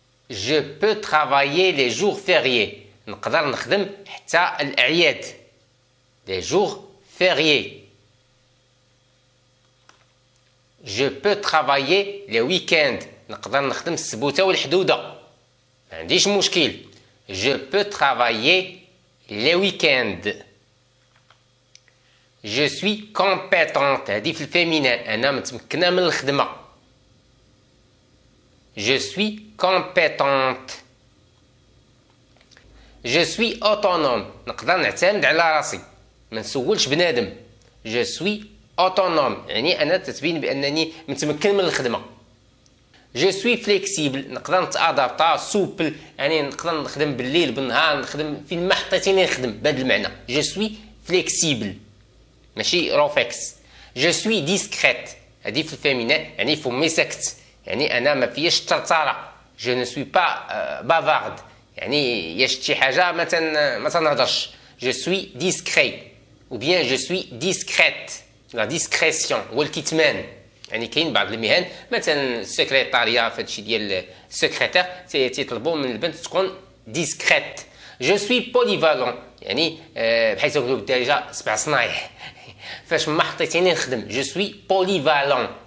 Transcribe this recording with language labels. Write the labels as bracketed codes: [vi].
[fr] Je peux travailler les jours fériés. [ar] نقدر نخدم حتى الأعياد. [fr] Les jours fériés. Je peux travailler les week-ends. [ar] نقدر نخدم السبوتة والحدودة. ما عنديش مشكل. [fr] Je peux travailler les week-ends. Je suis compétente. [ar] هذه في الفيمينين. أنا متمكنة من الخدمة. [fr] Je suis compétente. Je suis autonome. [ar] نقدر نعتمد على راسي. ما نسولش بنادم. [fr] Je suis autonome. [ar] يعني أنا تتبين بأنني متمكن من الخدمة. [fr] Je suis flexible. [ar] نقدر نتأدابتا سوبل. يعني نقدر نخدم بالليل بالنهار نخدم فين ما حطيتيني نخدم بهذا المعنى. [fr] Je suis flexible. [ar] ماشي روفيكس. [fr] Je suis discrète. [ar] هذه في الفيمينين يعني فمي ساكت. يعني أنا ما فيش طرطارة. [fr] Je ne suis pas bavarde. [ar] يعني يا شتي حاجة ما تنهضرش. [fr] Je suis discret. Ou bien je suis discrète. La discrétion. [ar] هو الكتمان. يعني كاين بعض المهن مثلا السكرتاريا في هادشي ديال السكرتير تيطلبوا من البنت تكون ديسكريت. [fr] Je suis polyvalent. [ar] يعني بحيث نقولوا ديجا سبع صنايح. فاش ما حطيتيني نخدم. [fr] Je suis polyvalent.